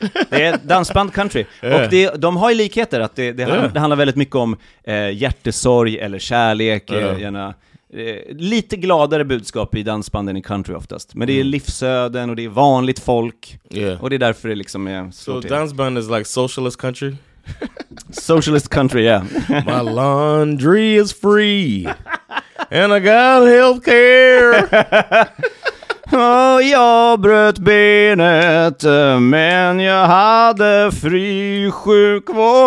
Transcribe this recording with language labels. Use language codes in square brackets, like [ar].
[sv] Det är dansband country. Och det, de har ju likheter att det handlar väldigt mycket om hjärtesorg eller kärlek. Gärna, lite gladare budskap i dansbanden i country oftast. Men det är livsöden och det är vanligt folk. [en] Yeah. [sv] Och det är därför det liksom är så. [en] So dansband is like socialist country? Socialist country, yeah. My laundry is free and I got healthcare. [sv] Oh, jag bröt benet men jag hade fri sjukvård.